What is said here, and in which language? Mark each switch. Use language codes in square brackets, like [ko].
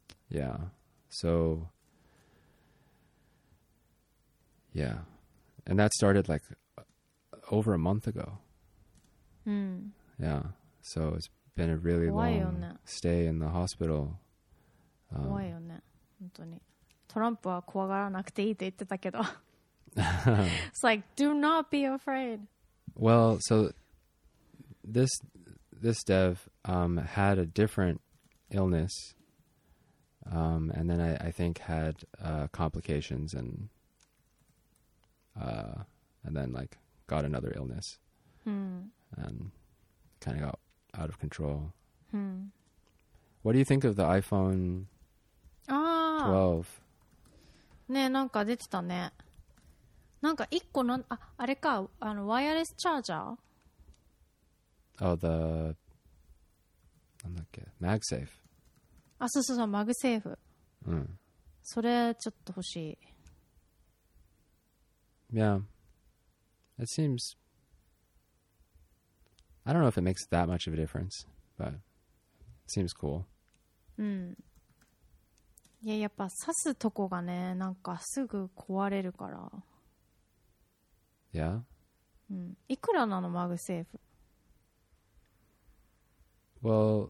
[en] Yeah. So yeah. And that started like over a month ago. Yeah. So it's been a really long stay in the hospital. [ja] 怖いよね。本当に。トランプは怖がらなくていいって言ってたけど。 [en] It's like do not be afraid. Well, so this dev had a different illness. And then I think had complications and then like got another illness and kind of got out of control. What do you think of the iPhone 12? [ja] ねえ、なんか出てたね。なんか一個なん、あれか、あのワイヤレスチャージャー。なんだっけ、MagSafe。あ、そうそうそう、マグセーフ。うん。それちょっと欲しい。 [en] Yeah. It seems. I don't know if it makes that much of a difference, but it seems cool. うん。 [ja] いや、やっぱ刺すとこがね、なんかすぐ壊れるから。 [en] Yeah. [ja] うん。いくらなのマグセーフ